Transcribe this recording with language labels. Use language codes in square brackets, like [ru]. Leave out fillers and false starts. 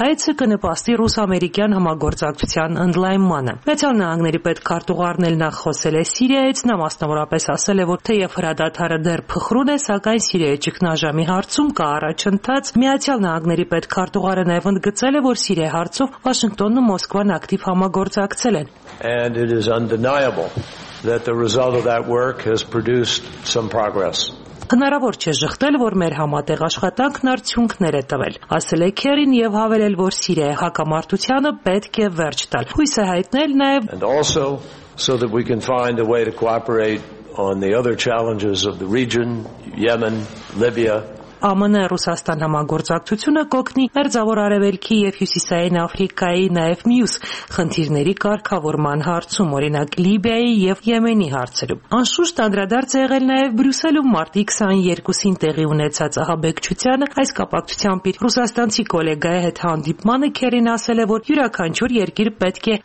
[hy] այցը կնպաստի ռուս-ամերիկյան համագործակցության ընդլայնմանը։ Միացյալ Նահանգների պետքարտուղի առնել նախ խոսել է Սիրիայից, նա մասնավորապես ասել է, որ թեև հրադադարը դեռ փխրուն է, սակայն Սիրիայի ճգնաժամի հարցում կա առաջընթաց։ Միացյալ Նահանգների պետքարտուղարը նաև ընդգծել է, որ Սիրիայի հարցով Վաշինգտոնն ու Մոսկվան ակտիվ համագործակցել են։ [en] And it is undeniable that the result of that work has produced some progress. [hy] Հնարավոր չէ ժխտել, որ մեր համատեղ աշխատանքն արդյունքներ է տվել, ասել է Քերին, և հավելել, որ Սիրիայի հակամարտությանը պետք է վերջ տալ։ Հույս է հայտնել նաև [en] so that we can find a way to cooperate on the other challenges of the region, Yemen, Libya. [hy] ԱՄՆ-ը Ռուսաստան համագործակցությունը կօգնի մերձավոր Արևելքի եւ Հյուսիսային Աֆրիկայի նաեւ մյուս խնդիրների կարգավորման հարցում, օրինակ Լիբիայի եւ Յեմենի հարցերում։ Անշուշտ անդրադարձ է եղել նաեւ Բրյուսելում մարտի 22-ին տեղի ունեցած ահաբեկչությանը, այս կապակցությամբ ռուսաստանցի գոլեգայի հետ հանդիպմանը Քերին ասել է, որ յուրաքանչյուր երկիր պետք է